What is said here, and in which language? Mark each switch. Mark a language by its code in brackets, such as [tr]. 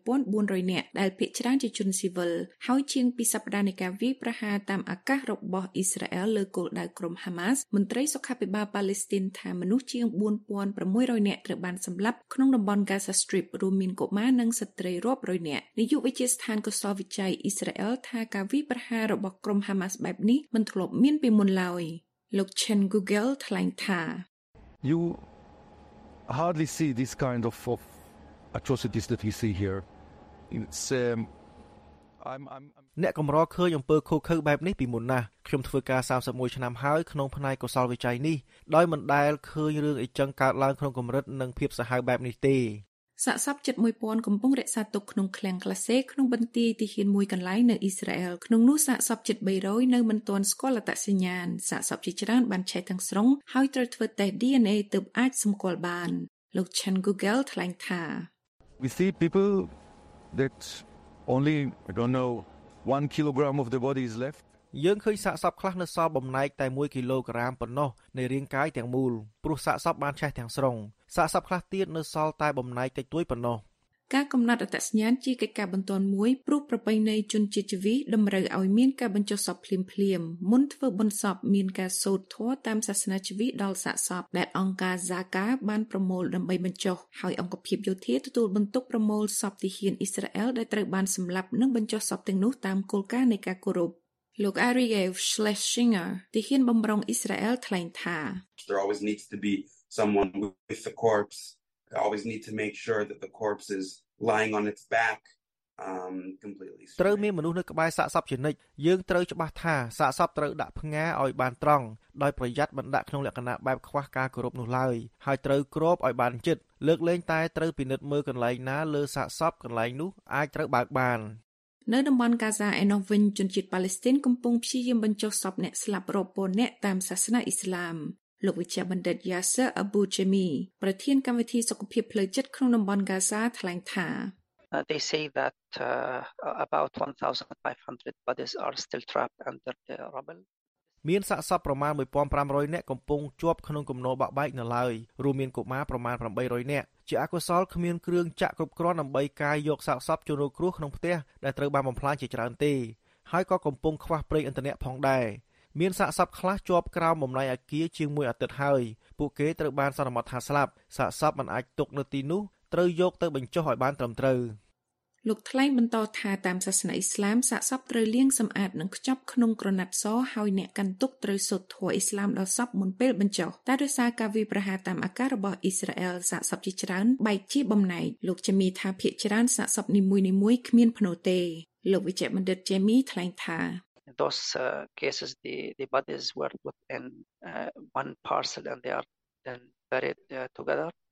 [km] 1400នាក់ដែលភាគច្រើនជាជនស៊ីវិលហើយជាង2សប្តាហ៍នៃការវាប្រហារតាមអាកាសរបស់អ៊ីស្រាអែលលើគោលដៅក្រុម Hamas មន្ត្រីសុខាភិបាលប៉ាឡេស្ទីនថាមនុស្សជាង4600នាក់ត្រូវបានសម្លាប់ក្នុងតំបន់ Gaza Strip រួមមានកុមារនិងស្ត្រីរាប់រយនាក់នាយកវិទ្យាស្ថានកសោវិចៃអ៊ីស្រាអែលថាការវាប្រហាររបស់ក្រុម Hamas បែបនេះមិនធ្លាប់មានពីមុនឡើយលោក Chen Google ថ្លែងថា [en] You hardly see this kind of atrocities that you see here in I'm [km] អ្នកកម្រឃើញអំពើខូចខើបែបនេះពីមុនណាស់ខ្ញុំធ្វើការ31ឆ្នាំហើយក្នុងផ្នែកកសលវិច័យនេះដោយមិនដែលឃើញរឿងអីចឹងកើតឡើងក្នុងកម្រិតនិងភាពសាហាវបែបនេះទេ សាកសព71000កំពុងរក្សាទុកក្នុងឃ្លាំងក្លាសេក្នុងបន្ទាយទីហ៊ានមួយកន្លែងនៅអ៊ីស្រាអែលក្នុងនោះសាកសព7300នៅមិនទាន់ស្គាល់អត្តសញ្ញាណសាកសពជាច្រើនបានឆេះទាំងស្រុងហើយត្រូវធ្វើតេស្ត DNA ទើបអាចសម្គាល់បានលោក Chen Google ថ្លែងថា [en] We see people that only I don't know 1 kilogram of the body is left [km] យើងឃើញសាកសពខ្លះនៅសល់បំណែកតែ1គីឡូក្រាមប៉ុណ្ណោះនៃរាងកាយទាំងមូលព្រោះសាកសពបានឆេះទាំងស្រុងសាកសពខ្លះទៀតនៅសល់តែបំណែកតិចតួចប៉ុណ្ណោះ ការកំណត់អត្តសញ្ញាណជាកិច្ចការបន្ទាន់មួយព្រោះប្រពៃណីជនជាតិជវិសតម្រូវឲ្យមានការបញ្ចុះសពភ្លាមៗមុនធ្វើបុណ្យសពមានការសូត្រធម៌តាមសាសនាជវិសដល់សាកសពដែលអង្គការ Zaka បានប្រមូលដើម្បីបញ្ចុះហើយអង្គភាពយោធាទទួលបន្ទុកប្រមូលសពទីហានអ៊ីស្រាអែលដែលត្រូវបានសម្លាប់និងបញ្ចុះសពទាំងនោះតាមគោលការណ៍នៃការគោរពលោក Ariel Schlesinger ទីហ៊ានបំរុងអ៊ីស្រាអែលថ្លែងថា [en] There always needs to be someone with the corpse. They always need to make sure that the corpse is lying on its back completely straight. [km] ត្រូវមានមនុស្សនៅក្បែរសាកសពជានិច្ចយើងត្រូវច្បាស់ថាសាកសពត្រូវដាក់ផ្ងារឲ្យបានត្រង់ដោយប្រយ័ត្នមិនដាក់ក្នុងលក្ខណៈបែបខ្វះការគោរពនោះឡើយហើយត្រូវគ្របឲ្យបានជិតលើកលែងតែត្រូវពិនិត្យមើលកន្លែងណាលើសាកសពកន្លែងនោះអាចត្រូវបើកបាននៅតំបន់កាហ្សាឯណោះវិញជនជាតិប៉ាឡេស្ទីនកំពុងព្យាយាមបញ្ចុះសពអ្នកស្លាប់រាប់ពាន់អ្នកតាមសាសនាអ៊ីស្លាមលោកវិជ្ជាបណ្ឌិតយ៉ាសើអប៊ូជេមីប្រធានគណៈវិធិសុខភាពផ្លូវចិត្តក្នុងតំបន់កាហ្សាថ្លែងថា [en] They say that about 1,500 bodies are still trapped under the rubble. [km] មានសាកសពប្រមាណ 1,500 នាក់កំពុងជាប់ក្នុងគំនរបាក់បែកនៅឡើយរួមមានកុមារប្រមាណ 800 នាក់ជាអកុសលគ្មានគ្រឿងចាក់គ្រប់គ្រាន់ដើម្បីកាយយកសាកសពជូនរងគ្រោះក្នុងផ្ទះដែលត្រូវបានបំផ្លាញជាច្រើនទេហើយក៏កំពុងខ្វះប្រេងឥន្ធនៈផងដែរមានសាកសពខ្លះជាប់ក្រោមបំណៃអាគារជាង1អាទិត្យហើយពួកគេត្រូវបានសន្មតថាស្លាប់សាកសពមិនអាចទុកនៅទីនោះត្រូវយកទៅបញ្ចុះឲ្យបានត្រឹមត្រូវ លោកថ្លែងបន្តថាតាមសាសនាអ៊ីស្លាមសាកសពត្រូវលាងសម្អាតនិងខ្ចប់ក្នុងក្រណាត់សហើយអ្នកកាន់ទុកត្រូវសូត្រធម៌អ៊ីស្លាមដល់សពមុនពេលបញ្ចុះតែដោយសារការវាយប្រហារតាមអាការរបស់អ៊ីស្រាអែលសាកសពជាច្រើនបែកជាបំណែកលោកជេមីថាភាគច្រើនសាកសពនីមួយៗគ្មានផ្នូរទេលោកវិជ្ជបណ្ឌិតជេមីថ្លែងថា [en] Those cases the bodies were put in one parcel and they are then buried together.